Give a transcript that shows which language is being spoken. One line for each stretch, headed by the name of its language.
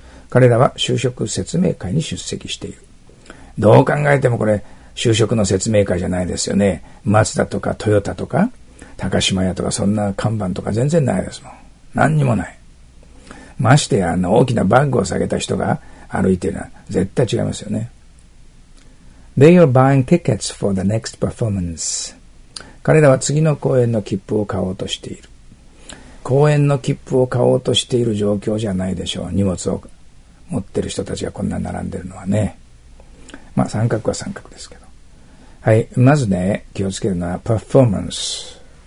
Japanese: 彼らは就職説明会に出席している。どう考えてもこれ、就職の説明会じゃないですよね。マツダとかトヨタとか、高島屋とかそんな看板とか全然ないですもん。何にもない。ましてや、大きなバッグを下げた人が歩いてるのは絶対違いますよね。
English: They are buying tickets for the next performance.
Japanese: 彼らは次の公演の切符を買おうとしている。公演の切符を買おうとしている状況じゃないでしょう。荷物を持ってる人たちがこんな並んでるのはね。まあ、三角は三角ですけど。はい。まずね、気をつけるのは performance。